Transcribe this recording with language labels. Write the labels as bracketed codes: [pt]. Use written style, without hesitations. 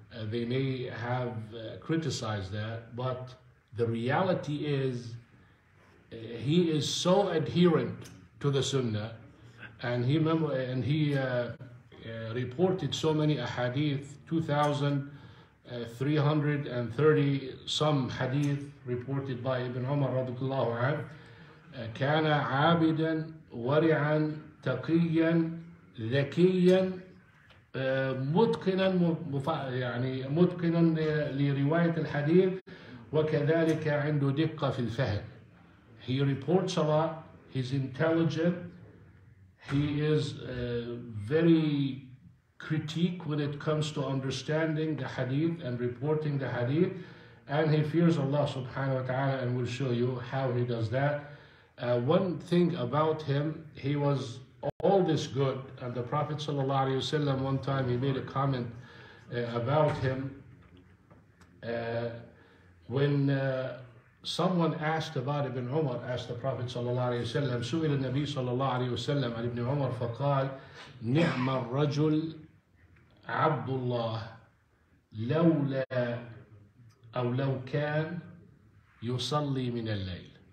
[en] They may have criticized that, but the reality is he is so adherent to the sunnah, and he reported so many ahadith, 2,330 some hadith reported by Ibn Umar radiallahu anhu. [ar] كان عابدا ورعا تقيا ذكيا متقنا يعني متقنا لرواية الحديث، وكذلك عنده دقة في الفهم. [en] He reports a lot. He's intelligent. He is very critique when it comes to understanding the hadith and reporting the hadith. And he fears Allah subhanahu wa ta'ala, and we'll show you how he does that. One thing about him, he was all this good, and the Prophet sallallahu alaihi wasallam one time he made a comment about him. When someone asked about Ibn Umar, asked the Prophet sallallahu alaihi wasallam, [ar] سُئل النبي صلى الله عليه وسلم عن ابن عمر فقال نعم الرجل عبد الله لولا أو لو كان يصلي من الليل.